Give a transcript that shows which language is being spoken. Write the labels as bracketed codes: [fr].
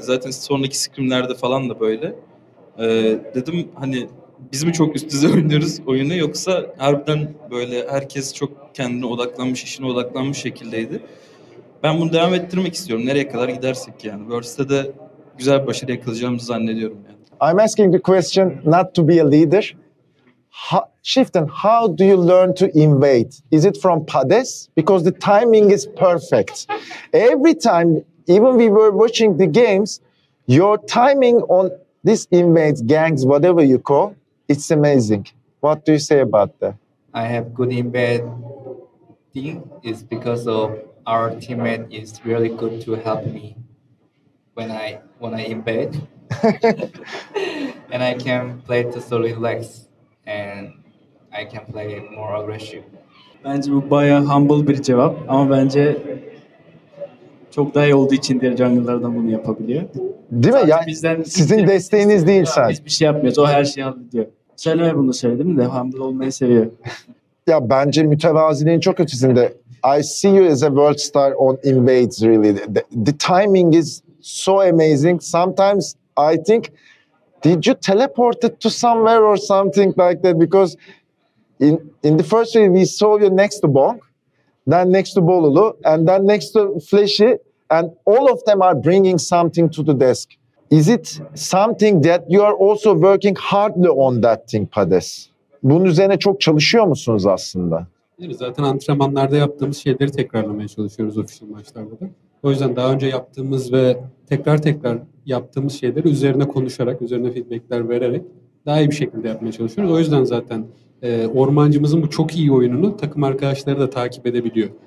[tr] Zaten sonraki sıkımlarda falan da böyle. Dedim hani biz mi çok üst düzey oynuyoruz oyunu, yoksa harbiden böyle herkes çok kendine odaklanmış, işine odaklanmış şekildeydi. Ben bunu devam ettirmek istiyorum. Nereye kadar gidersek yani. Worst'te de güzel bir başarıya kalacağımızı zannediyorum yani. [en] I'm asking the question not to be a leader. Shiften, how do you learn to invade? Is it from Pades? Because the timing is perfect. Every time, even we were watching the games, your timing on this invade, gangs, whatever you call, it's amazing. What do you say about that? I have good invade thing is because of our teammate is really good to help me when I invade, and I can play to solo relax, and I can play more aggressive. [tr] Bence bu bayağı humble bir cevap, ama bence çok daha iyi olduğu için diğer jungler'dan bunu yapabiliyor. Değil mi? Yani bizden, sizin desteğiniz değil sadece. Biz bir şey yapmıyoruz, o her şeyi hallediyor. Selam'a bunu söyledim de humble olmayı seviyor. Ya bence mütevaziliğin çok ötesinde. [en] I see you as a world star on invades really. The timing is so amazing. Sometimes I think, did you teleport it to somewhere or something like that? Because in the first way we saw you next to Bong, then next to Bolulu, and then next to Fleshy, and all of them are bringing something to the desk. Is it something that you are also working hardly on that thing, Pades? [tr] Bunun üzerine çok çalışıyor musunuz aslında? Zaten antrenmanlarda yaptığımız şeyleri tekrarlamaya çalışıyoruz official maçlarda da. O yüzden daha önce yaptığımız ve tekrar tekrar yaptığımız şeyleri üzerine konuşarak, üzerine feedbackler vererek daha iyi bir şekilde yapmaya çalışıyoruz. O yüzden zaten ormancımızın bu çok iyi oyununu takım arkadaşları da takip edebiliyor.